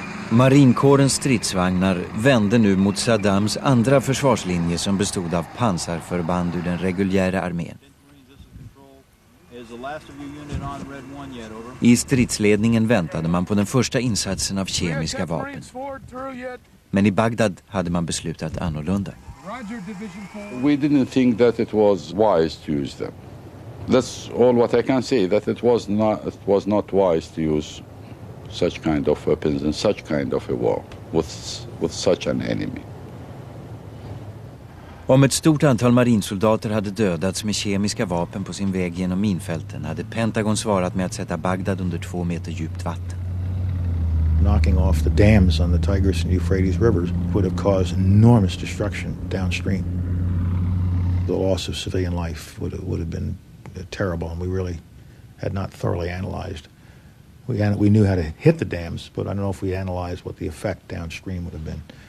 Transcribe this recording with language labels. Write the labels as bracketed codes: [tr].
[sv] Marinkårens stridsvagnar vände nu mot Saddams andra försvarslinje som bestod av pansarförband ur den reguljära armén. I stridsledningen väntade man på den första insatsen av kemiska vapen. Men i Bagdad hade man beslutat annorlunda. [en] We didn't think that it was wise to use them. That's all what I can say, that it was not wise to use such kind of weapons in such kind of a war with such an enemy. [sv] Om ett stort antal marinsoldater hade dödats med kemiska vapen på sin väg genom minfälten hade Pentagon svarat med att sätta Bagdad under 2 meter djupt vatten. [en] Knocking off the dams on the Tigris and Euphrates rivers would have caused enormous destruction downstream. The loss of civilian life would have been terrible, and we really had not thoroughly analyzed. We knew how to hit the dams, but I don't know if we analyzed what the effect downstream would have been.